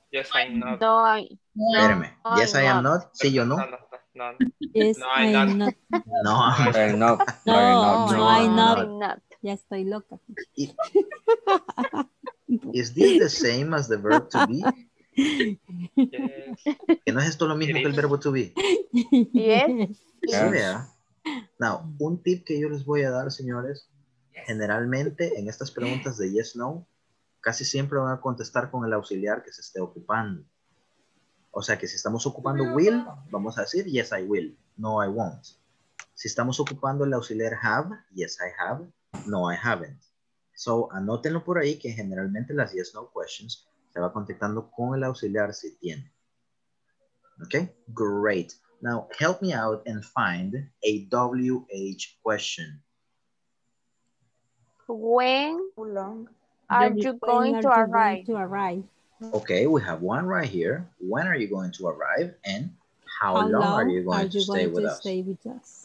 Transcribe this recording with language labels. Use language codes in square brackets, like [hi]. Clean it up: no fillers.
[es] Sí, yo no. [en] No, I'm not. [es] Ya estoy loca. [en] Is this the same as the verb to be? Yes. [es] ¿Que no es esto lo mismo que el verbo to be? [en] Yes. [es] Sí, yes. Now, un tip que yo les voy a dar, señores, generalmente en estas preguntas de yes, no, casi siempre van a contestar con el auxiliar que se esté ocupando. O sea, que si estamos ocupando will, vamos a decir [en] yes, I will, no, I won't. [es] Si estamos ocupando el auxiliar have, [en] yes, I have, no, I haven't. [es] So, anótenlo por ahí que generalmente las yes, no questions se va contactando con el auxiliar si tiene. [en] Okay, great. Now, help me out and find a WH question. When are you going to arrive? Okay, we have one right here. When are you going to arrive? And how long are you going to stay with us?